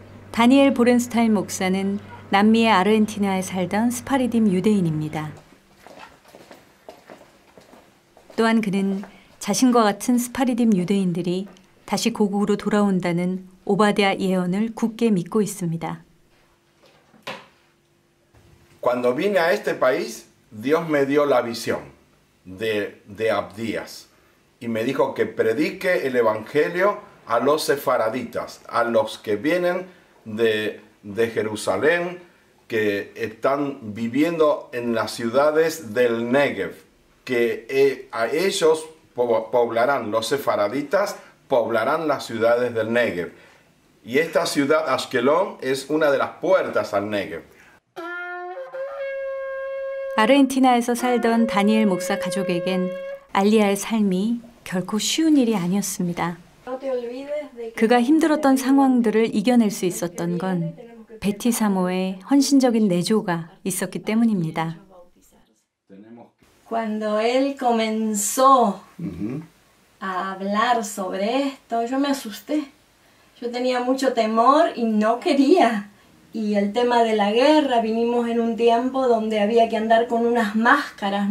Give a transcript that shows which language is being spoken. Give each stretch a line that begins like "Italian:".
Korean: 다니엘 보렌스타인 목사는 남미의 아르헨티나에 살던 스파리딤 유대인입니다. 또한 그는 자신과 같은 스파리딤 유대인들이 다시 고국으로 돌아온다는 오바댜 예언을 굳게 믿고 있습니다.
Spanish: Cuando vine a este país, Dios me dio la visión de Abdías y me dijo que predique el evangelio a los sefaraditas, a los que vienen de Jerusalén, que están viviendo en las ciudades del Negev. Que a ellos poblarán los sefaraditas poblarán las ciudades del Negev. Y esta ciudad, Ashkelon, es una de las puertas al Negev.
Korean: 아르헨티나에서 살던 다니엘 목사 가족에겐 알리아의 삶이 결코 쉬운 일이 아니었습니다. 그가 힘들었던 상황들을 이겨낼 수 있었던 건 베티 사모의 헌신적인 내조가 있었기 때문입니다.
Spanish: Cuando él comenzó a hablar sobre esto, yo me asusté. Yo tenía mucho temor y no quería. Y el tema de la guerra, vinimos en un tiempo donde había que andar con unas máscaras.